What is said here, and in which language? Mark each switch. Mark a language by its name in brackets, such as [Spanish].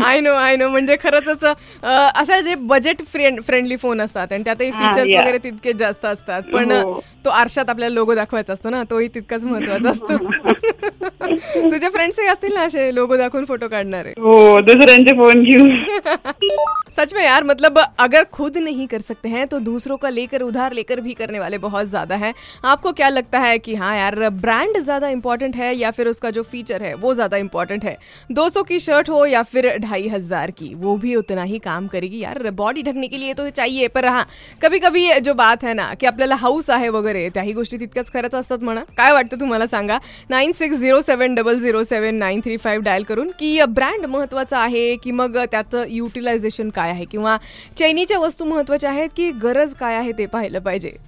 [English] I know I know, [Marathi] म्हणजे खरंच असं जे बजेट फ्रेंडली फोन असतात आणि त्यातही फीचर्स वगैरे तितके जास्त असतात पण तो आरशात आपल्याला लोगो दाखवायचा असतो ना, तोही तितकाच महत्वाचा असतो. तुझ्या फ्रेंड्स असतील ना असे लोगो दाखवून फोटो काढणारे. हो, दुसऱ्यांचे फोन घेऊन. [Hindi] सच में यार, मतलब अगर खुद नहीं कर सकते हैं तो दूसरों का लेकर उधार लेकर भी करने वाले बहुत ज्यादा हैं. आपको क्या लगता है कि हाँ यार, ब्रांड ज्यादा इंपॉर्टेंट है या फिर उसका जो फीचर है वो ज्यादा इंपॉर्टेंट है. 200 की शर्ट हो या फिर 2500 की, वो भी उतना ही काम करेगी यार. बॉडी ढकने के लिए तो चाहिए पर हाँ, कभी कभी जो बात है ना कि [Marathi] आपल्याला हाऊस आहे वगैरे त्याही गोष्टी तितक्याच खरंच असतात म्हणा. काय वाटतं तुम्हाला सांगा 9607007935 डायल करून की ब्रँड महत्वाचा आहे की मग त्याचं युटिलायझेशन काय आहे किंवा चैनीच्या वस्तू महत्वाच्या आहेत की गरज काय आहे ते पाहिलं पाहिजे.